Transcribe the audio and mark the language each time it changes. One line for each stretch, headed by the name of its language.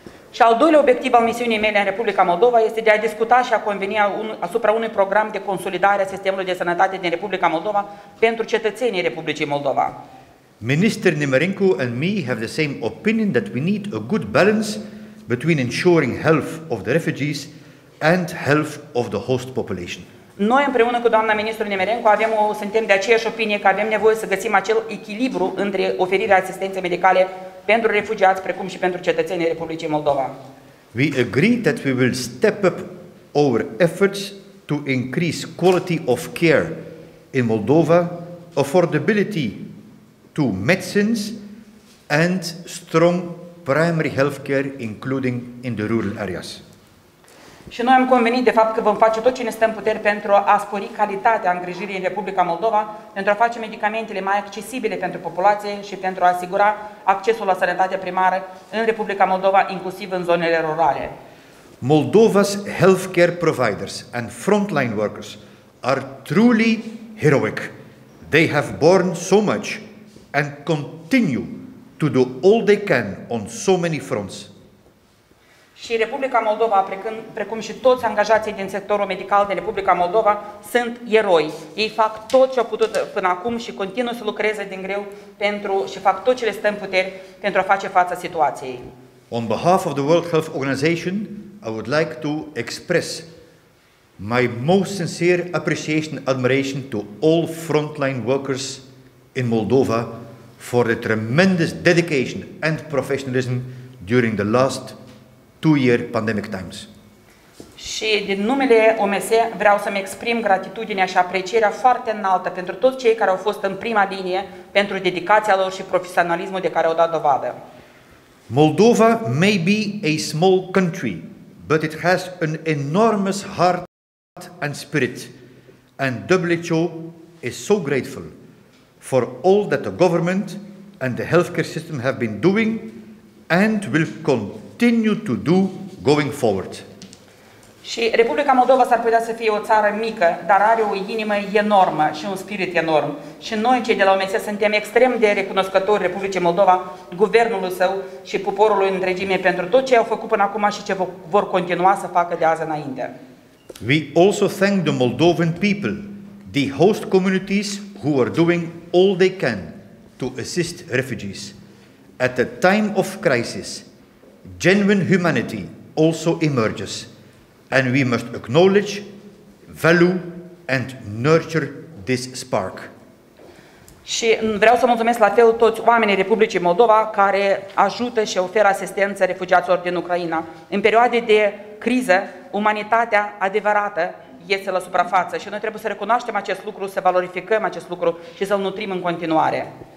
Romanian: Și al doilea obiectiv al misiunii mele în Republica Moldova este de a discuta și a conveni asupra unui program de consolidare a sistemului de sănătate din Republica Moldova pentru cetățenii Republicii Moldova.
English: Minister Nemerenko and me have the same opinion that we need a good balance between ensuring health of the refugees and health of the host population.
Romanian: Noi împreună cu doamna ministru Nemerenko suntem de aceeași opinie că avem nevoie să găsim acel echilibru între oferirea asistenței medicale pentru refugiați precum și pentru cetățenii Republicii Moldova.
English: We agree that we will step up our efforts to increase quality of care in Moldova affordability to medicines and strong primary healthcare, including in the rural areas.
Romanian: Și noi am convenit de fapt că vom face tot ce ne stă în putere pentru a spori calitatea îngrijirii în Republica Moldova, pentru a face medicamentele mai accesibile pentru populație și pentru a asigura accesul la sănătate primară în Republica Moldova, inclusiv în zonele rurale.
English: Moldova's healthcare providers and frontline workers are truly heroic. They have borne so much and continue to do all they can on so many fronts.
Romanian: Și Republica Moldova, precum și toți angajații din sectorul medical din Republica Moldova, sunt eroi. Ei fac tot ce au putut până acum și continuă să lucreze din greu și fac tot ce le stă în putere pentru a face față situației.
English: On behalf of the World Health Organization, I would like to express my most sincere appreciation and admiration to all frontline workers in Moldova for the tremendous dedication and professionalism during the last 2 year pandemic times.
Romanian: Și din numele OMS vreau să-mi exprim gratitudinea și aprecierea foarte înaltă pentru toți cei care au fost în prima linie, pentru dedicația lor și profesionalismul de care au dat dovadă.
English: Moldova may be a small country, but it has an enormous heart and spirit, and WHO is so grateful for all that the government and the healthcare system have been doing and will continue to do going forward.
Romanian: Și Republica Moldova s-ar putea să fie o țară mică, dar are o inimă enormă și un spirit enorm. Și noi, cei de la OMS, suntem extrem de recunoscători Republicii Moldova, guvernului său și poporului întregime pentru tot ce au făcut până acum și ce vor continua să facă de azi înainte.
English: We also thank the Moldovan people, the host communities who are doing all they can to assist refugees. At a time of crisis, genuine humanity also emerges. And we must acknowledge, value and nurture this spark.
Romanian: Și vreau să mulțumesc la fel toți oamenii Republicii Moldova care ajută și oferă asistență refugiaților din Ucraina. În perioade de criză, umanitatea adevărată iese la suprafață și noi trebuie să recunoaștem acest lucru, să valorificăm acest lucru și să-l nutrim în continuare.